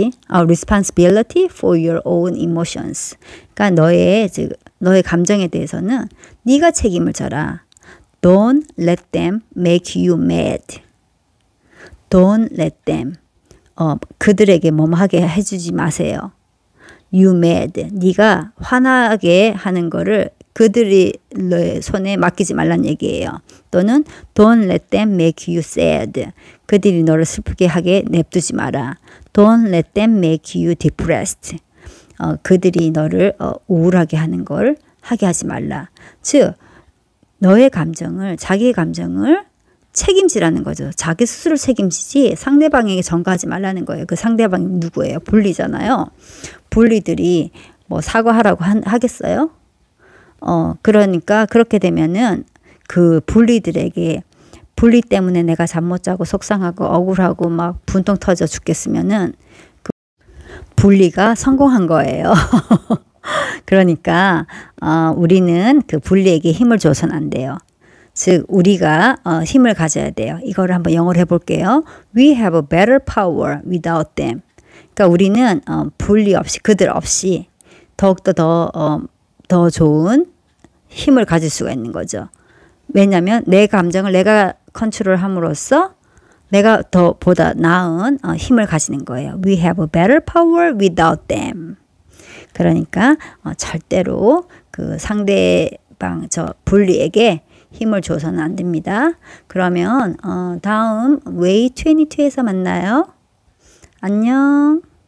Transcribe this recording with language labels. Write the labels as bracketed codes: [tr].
[en] Responsibility for your own emotions. [ko] 그러니까 너의 감정에 대해서는 네가 책임을 져라. [en] Don't let them make you mad. Don't let them. [ko] 그들에게 뭐 하게 해주지 마세요. [en] You mad. [ko] 네가 화나게 하는 거를 그들의 손에 맡기지 말란 얘기예요. 또는 [en] Don't let them make you sad. [ko] 그들이 너를 슬프게 하게 냅두지 마라. [en] Don't let them make you depressed. [ko] 그들이 너를 우울하게 하는 걸 하게 하지 말라. 즉, 너의 감정을, 자기의 감정을 책임지라는 거죠. 자기 스스로 책임지지 상대방에게 전가하지 말라는 거예요. 그 상대방이 누구예요? 분리잖아요. 분리들이 뭐 사과하라고 하겠어요? 그러니까 그렇게 되면은 그 분리들에게 분리 때문에 내가 잠 못 자고 속상하고 억울하고 막 분통 터져 죽겠으면은 그 분리가 성공한 거예요. 그러니까 우리는 그 분리에게 힘을 줘선 안 돼요. 즉 우리가 힘을 가져야 돼요. 이거를 한번 영어로 해볼게요. [en] We have a better power without them. [ko] 그러니까 우리는 분리 없이 그들 없이 더욱더 더 좋은 힘을 가질 수가 있는 거죠. 왜냐하면 내 감정을 내가 컨트롤함으로써 내가 더 보다 나은 힘을 가지는 거예요. [en] We have a better power without them. [ko] 그러니까 절대로 그 상대방 저 분리에게 힘을 줘서는 안 됩니다. 그러면 다음 웨이 22에서 만나요. 안녕.